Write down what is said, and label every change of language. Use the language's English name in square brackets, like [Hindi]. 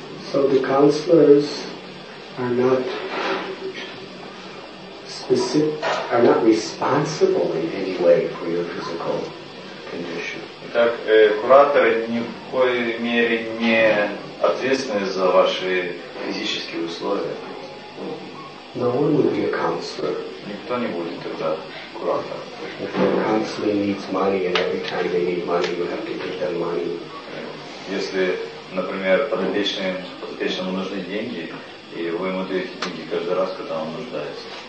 [English] So the counselors are not specific, are not responsible in any way for your physical condition. [Russian] Итак, кураторы ни в коей мере не ответственны за ваши физические условия. [English] No one would be a counselor. [Russian] Никто не будет тогда куратор. [English] If the counselor needs money and every time they need money, you have to give them money. [Russian] Если, например, подопечным нужны деньги, и вы ему даете деньги каждый раз, когда он нуждается.